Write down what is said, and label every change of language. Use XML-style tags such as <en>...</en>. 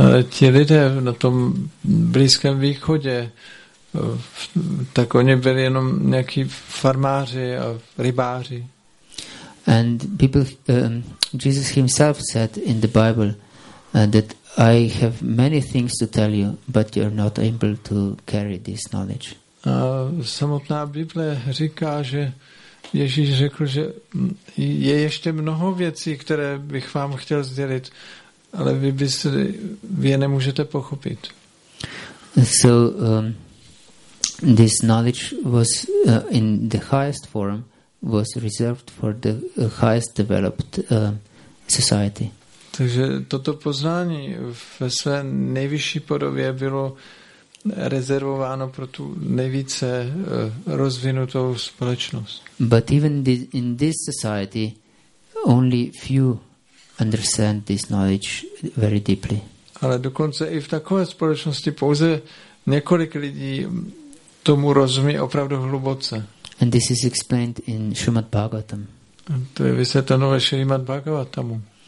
<cs>Ti lidé na tom Blízkém východě, tak oni byli jenom nějaký farmáři a rybáři.</cs> <en>And people, Jesus himself said in the Bible that I have many things to tell you, but you're not able to carry this knowledge.</en> <cs>A samotná Bible říká, že Ježíš řekl, že je ještě mnoho věcí, které bych vám chtěl sdělit, ale vy je nemůžete pochopit.</cs> <en>So this knowledge was in the highest form was reserved for the highest developed society.</en> <cs>Takže toto poznání ve své nejvyšší podobě bylo rezervováno pro tu nejvíce rozvinutou společnost.</cs> <en>But even in this society only few understand this knowledge very deeply.</en> <cs>Ale dokonce i v takové společnosti pouze několik lidí tomu rozumí opravdu hluboce.</cs> <en>And this is explained in Srimad Bhagavatam.</en> <cs>To je vysvětleno ve Srimad Bhagavatamu.</cs>